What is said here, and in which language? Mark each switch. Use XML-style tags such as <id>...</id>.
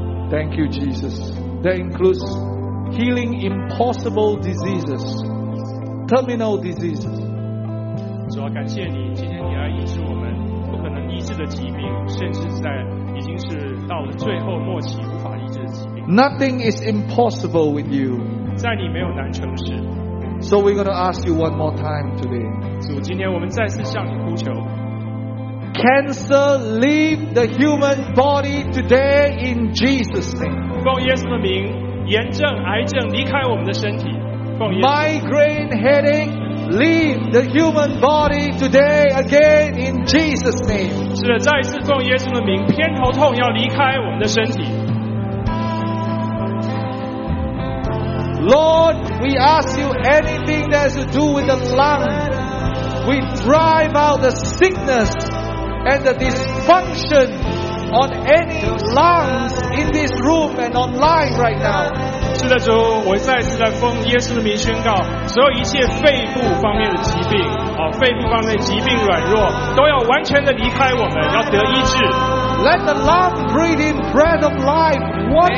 <en>Thank you, Jesus. That includes healing impossible diseases, terminal diseases.</en> <zh>主啊，感谢你，今天你来医治我们不可能医治的疾病，甚至在已经是到了最后末期无法医治的疾病。</zh> <en>Nothing is impossible with you.</en> <zh>在你没有难成事。</zh> <en>So we're going to ask you one more time today.</en> <zh>主，今天我们再次向你呼求。</zh> <en>Cancer, leave the human body today in Jesus' name.</en> <zh>奉耶稣的名，炎症、癌症离开我们的身体。奉耶稣。</zh> <en>Migraine, headache, leave the human body today again in Jesus' name.</en> <zh>是的，再次奉耶稣的名，偏头痛要离开我们的身体。</zh> <en>Lord, we ask you anything that has to do with the lung. We drive out the sickness. And the dysfunction on any lungs in this room and online right now.</en> <zh>是的，主，我再次在奉耶稣的名宣告，所有一切肺部方面的疾病，肺部方面的疾病软弱，都要完全的离开我们，要得医治。</zh> <en>Let the lung breathe in breath of life 100%.</en>